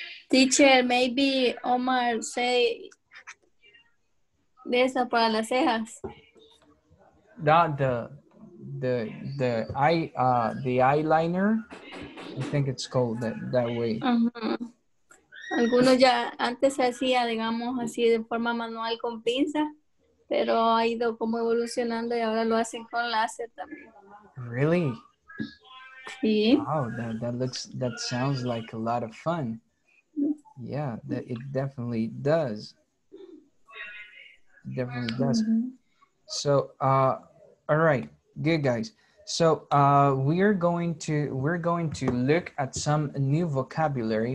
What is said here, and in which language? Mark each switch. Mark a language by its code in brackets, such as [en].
[en] Teacher, maybe Omar say [es] de eso para las cejas. [en] The eyeliner, I think it's called that way. Uh-huh. [es] Algunos ya antes se hacía, digamos, así de forma manual con pinza, pero ha ido como evolucionando y ahora lo hacen con láser también. [en] Really? [es] Sí. [en] Wow, that sounds like a lot of fun. Yeah, that it definitely does. It definitely does. Mm-hmm. So, all right, good guys. So, we're going to look at some new vocabulary.